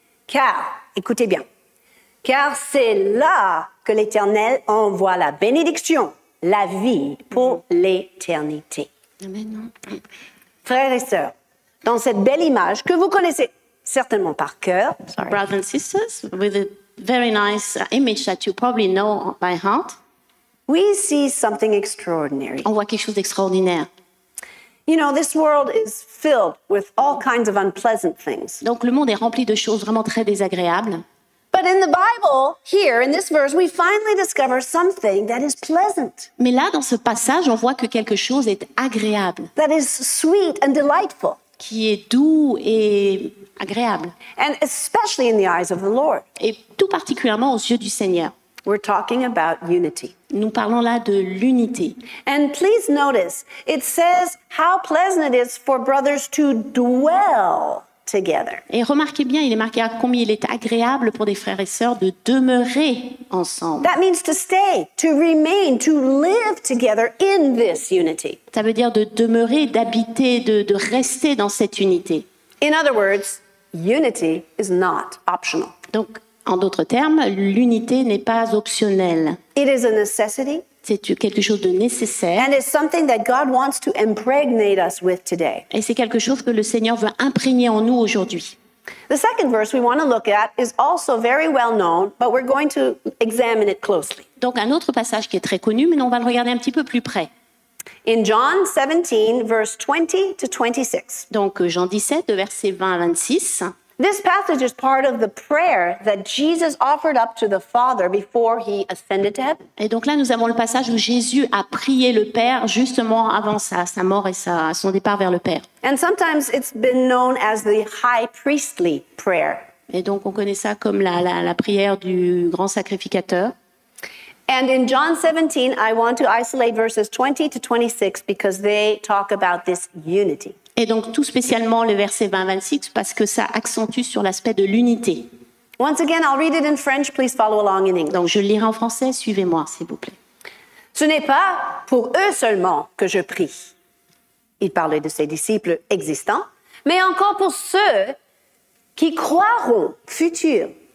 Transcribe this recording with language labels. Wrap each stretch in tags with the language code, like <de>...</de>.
<fr>Car, écoutez bien, car c'est là que l'Éternel envoie la bénédiction. La vie pour l'éternité. Frères et sœurs, dans cette belle image que vous connaissez certainement par cœur,</fr> <en>brothers and sisters, with a very nice image that you probably know by heart, we see something extraordinary.</en> <fr>On voit quelque chose d'extraordinaire.</fr> <en>You know, this world is filled with all kinds of unpleasant things.</en> <fr>Donc le monde est rempli de choses vraiment très désagréables.</fr> <en>But in the Bible, here in this verse, we finally discover something that is pleasant.</en> <fr>Mais là, dans ce passage, on voit que quelque chose est agréable.</fr> <en>That is sweet and delightful.</en> <fr>Qui est doux et agréable.</fr> <en>And especially in the eyes of the Lord.</en> <fr>Et tout particulièrement aux yeux du Seigneur.</fr> <en>We're talking about unity.</en> <fr>Nous parlons là de l'unité.</fr> <en>And please notice, it says how pleasant it is for brothers to dwell.</en> <fr>Et remarquez bien, il est marqué à combien il est agréable pour des frères et sœurs de demeurer ensemble.</fr> <en>That means to stay, to remain, to live together in this unity.</en> <fr>Ça veut dire de demeurer, d'habiter, de rester dans cette unité.</fr> <en>In other words, unity is not optional.</en> <fr>Donc, en d'autres termes, l'unité n'est pas optionnelle.</fr> <en>It is a necessity.</en> <fr>C'est quelque chose de nécessaire.</fr> <en>And it's something that God wants to impregnate us with today.</en> <fr>Et c'est quelque chose que le Seigneur veut imprégner en nous aujourd'hui.</fr> <en>The second verse we want to look at is also very well known, but we're going to examine it closely.</en> <fr>Donc un autre passage qui est très connu, mais on va le regarder un petit peu plus près.</fr> <en>In John 17, verse 20 to 26.</en> <fr>Donc Jean 17, de versets 20 à 26.</fr> <en>This passage is part of the prayer that Jesus offered up to the Father before he ascended to heaven.</en> <fr>Et donc là, nous avons le passage où Jésus a prié le Père justement avant sa mort et son départ vers le Père.</fr> <en>And sometimes it's been known as the high priestly prayer.</en> <fr>Et donc on connaît ça comme la prière du grand sacrificateur.</fr> <en>And in John 17, I want to isolate verses 20 to 26 because they talk about this unity.</en> <fr>Et donc tout spécialement le verset 20-26 parce que ça accentue sur l'aspect de l'unité.</fr> <en>Once again, I'll read it in French. Please follow along in English.</en> <fr>Donc je lirai en français. Suivez-moi, s'il vous plaît. Ce n'est pas pour eux seulement que je prie. Il parlait de ses disciples existants, mais encore pour ceux qui croiront futurs.</fr>